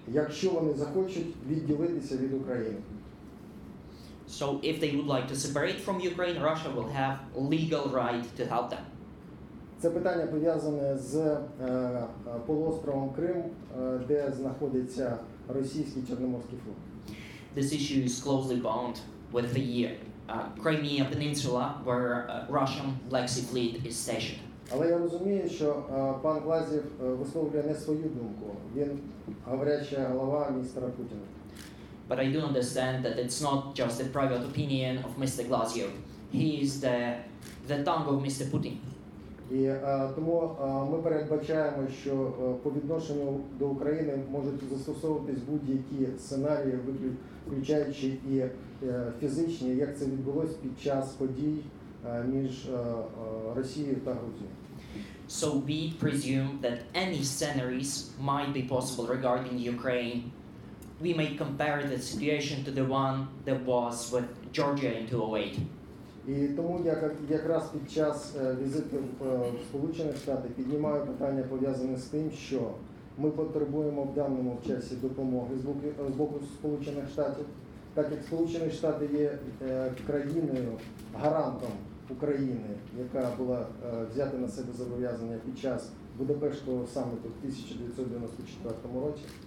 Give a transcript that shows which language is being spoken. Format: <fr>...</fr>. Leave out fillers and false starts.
<uk>Якщо вони захочуть відділитися від України.</uk> <en>So if they would like to separate from Ukraine, Russia will have legal right to help them.</en> <uk>Це питання пов'язане з полуостровом Крим, де знаходиться російський Чорноморський флот.</uk> <en>This issue is closely bound with the Crimea Peninsula, where Russian Black Sea Fleet is stationed.</en> <uk>Але я розумію, що пан Глазьєв висловлює не свою думку. Він говоряча голова міністра Путіна.</uk> <en>But I do understand that it's not just a private opinion of Mr. Glazyev. He is the tongue of Mr. Putin.</en> <uk>І тому ми передбачаємо, що по відношенню до України можуть застосовуватись будь-які сценарії, включаючи і фізичні, як це відбулось під час подій між Росією та Грузією.</uk> <en>So we presume that any scenarios might be possible regarding Ukraine. We may compare the situation to the one that was with Georgia in 2008.</en> <uk>І тому я якраз під час візиту в Сполучені Штати піднімаю питання, пов'язане з тим, що ми потребуємо в даному часі допомоги з боку Сполучених Штатів, так як Сполучені Штати є країною, гарантом України, яка була взята на себе зобов'язання під час Будапештського саміту в 1994 році.</uk>